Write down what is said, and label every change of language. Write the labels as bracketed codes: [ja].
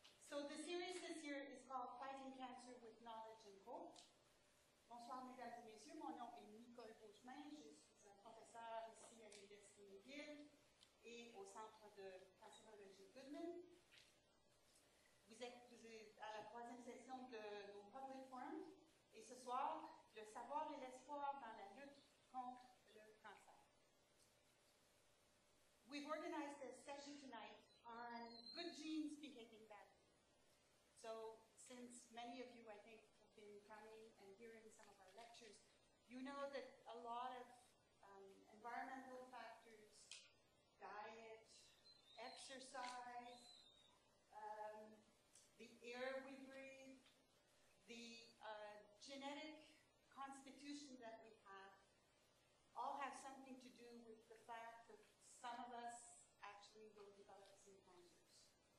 [en] So the series this year is called Fighting Cancer with Knowledge and Hope. [fr] Bonsoir mesdames et messieurs, mon nom est Nicole Beauchemin, je suis un professeur ici à l'Université McGill et au Centre de cancérologie Goodman. Vous êtes à la troisième session de nos [en] public forums [fr] et ce soir, le savoir et l'espoir dans la lutte contre le cancer. [en] We've organized a session tonight on good genes behaving badly. So, since many of you, I think, have been coming and hearing some of our lectures, you know that a lot of environmental factors, diet, exercise, the air we breathe, the genetic constitution that we have, all have something to do with the fact that some of us actually will develop some cancers.